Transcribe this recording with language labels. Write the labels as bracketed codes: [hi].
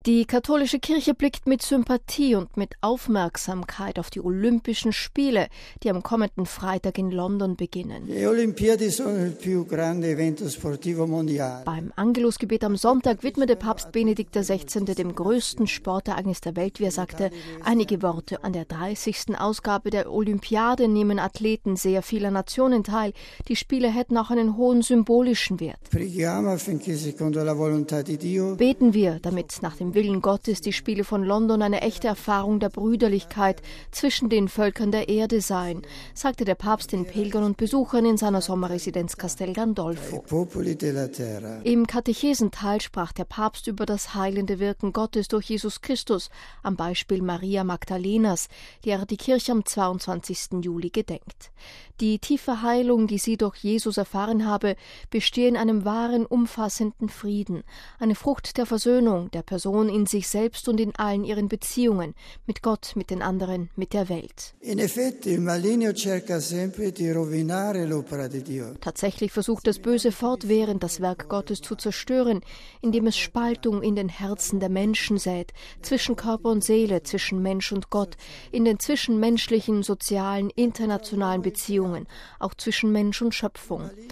[de] Die katholische Kirche blickt mit Sympathie und mit Aufmerksamkeit auf die Olympischen Spiele, die am kommenden Freitag in London beginnen. [it] Le Olimpiadi sono il più grande evento sportivo mondiale. [de] Beim Angelusgebet am Sonntag widmete Papst Benedikt XVI. Dem größten Sportereignis der Welt, wie er sagte, einige Worte. An der 30. Ausgabe der Olympiade nehmen Athleten sehr vieler Nationen teil. Die Spiele hätten auch einen hohen symbolischen Wert. [it] Preghiamo affinché secondo la volontà di Dio. [de] Beten wir, damit nach dem Willen Gottes die Spiele von London eine echte Erfahrung der Brüderlichkeit zwischen den Völkern der Erde sein, sagte der Papst den Pilgern und Besuchern in seiner Sommerresidenz Castel Gandolfo. Im Katechesenteil sprach der Papst über das heilende Wirken Gottes durch Jesus Christus, am Beispiel Maria Magdalenas, der die Kirche am 22. Juli gedenkt. Die tiefe Heilung, die sie durch Jesus erfahren habe, bestehe in einem wahren, umfassenden Frieden, eine Frucht der Versöhnung, der Person in sich selbst und in allen ihren Beziehungen, mit Gott, mit den anderen, mit der Welt. [it] In effetti, il maligno cerca sempre di rovinare l'opera di Dio. [de] Tatsächlich versucht das Böse fortwährend, das Werk Gottes zu zerstören, indem es Spaltung in den Herzen der Menschen sät, zwischen Körper und Seele, zwischen Mensch und Gott, in den zwischenmenschlichen, sozialen, internationalen Beziehungen, auch zwischen Mensch und Schöpfung.